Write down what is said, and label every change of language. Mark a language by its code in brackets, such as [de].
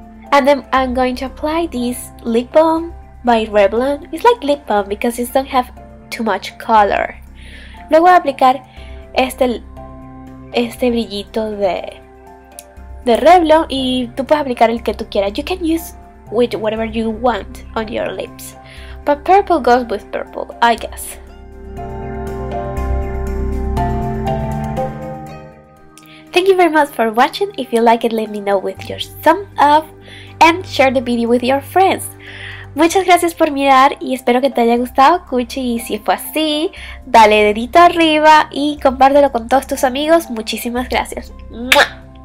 [en] And then I'm going to apply this lip balm by Revlon. It's like lip balm because it doesn't have too much color. [es] Luego voy a aplicar este brillito de Revlon y tú puedes aplicar el que tú quieras. [en] You can use with whatever you want on your lips. But purple goes with purple, I guess. Thank you very much for watching. If you like it, let me know with your thumbs up. And share the video with your friends. [es] Muchas gracias por mirar y espero que te haya gustado, Cuchi. Y si fue así, dale dedito arriba y compártelo con todos tus amigos. Muchísimas gracias. ¡Muah!